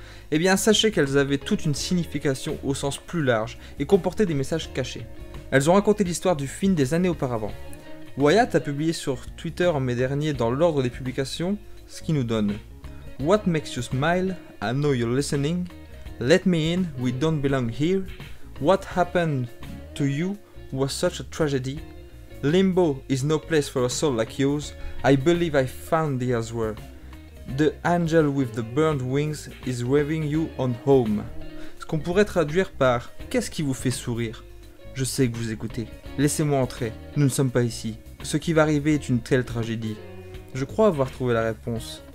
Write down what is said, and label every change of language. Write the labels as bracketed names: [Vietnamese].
[French] Eh bien, sachez qu'elles avaient toute une signification au sens plus large et comportaient des messages cachés. Elles ont raconté l'histoire du Fiend des années auparavant. Wyatt a publié sur Twitter en mai dernier dans l'ordre des publications ce qui nous donne « [English] What makes you smile? I know you're listening. Let me in, we don't belong here. What happened to you was such a tragedy. Limbo is no place for a soul like yours. I believe I found the answer. The angel with the burned wings is waving you on home. [French] » Ce qu'on pourrait traduire par « Qu'est-ce qui vous fait sourire ? Je sais que vous écoutez. Laissez-moi entrer. Nous ne sommes pas ici. Ce qui va arriver est une telle tragédie. Je crois avoir trouvé la réponse.